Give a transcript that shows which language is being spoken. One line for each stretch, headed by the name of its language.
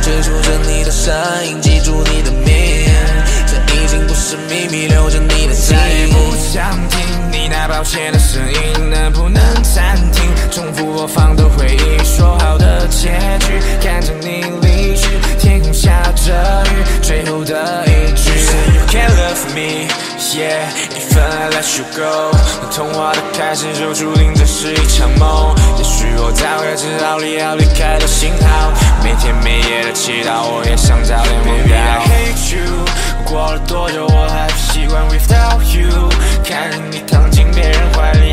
Chinese: 追逐着你的身影，记住你的名，这已经不是秘密，留着你的心。再也不想听那抱歉的声音，能不能暂停？重复播放的回忆，说好的结局，看着你离去，天空下着雨，最后的一句。
English: You say you can't love me， yeah， even I let you go。
Chinese: 那童话的开始就注定这是一场梦，也许我早该知道你要离开的信号，每天每夜的祈祷，我也想早点忘掉。
English: Baby I hate you，
Chinese: 过了多久我还不习惯
English: without you，
Chinese: 看着你躺进别人怀里。